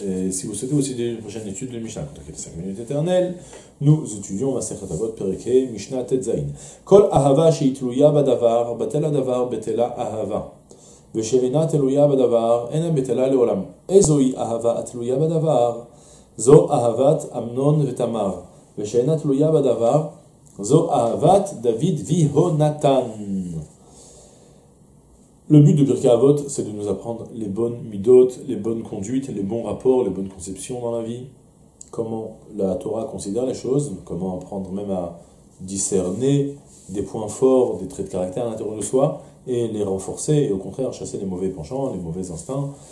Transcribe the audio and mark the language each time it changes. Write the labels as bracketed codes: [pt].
[fr] Si vous souhaitez aussi une prochaine étude de Mishnah, contre les 5 minutes éternelles, nous étudions la Sechat Avot Perike Mishnah Tetzain. [he] Kol Ahava Sheitluya Badavar, Batela Davar, Betela Ahava. ושאינה תלויה בדבר, אינה בטלה לעולם. איזוהי אהבה התלויה בדבר? זו אהבת אמנון ותמר. ושאינה תלויה בדבר, זו אהבת דוד והונתן. [fr] Le but de Birkei Avot, c'est de nous apprendre les bonnes midot, les bonnes conduites, les bons rapports, les bonnes conceptions dans la vie. Comment la Torah considère les choses, comment apprendre même à discerner des points forts, des traits de caractère à l'intérieur de soi, et les renforcer, et au contraire, chasser les mauvais penchants, les mauvais instincts.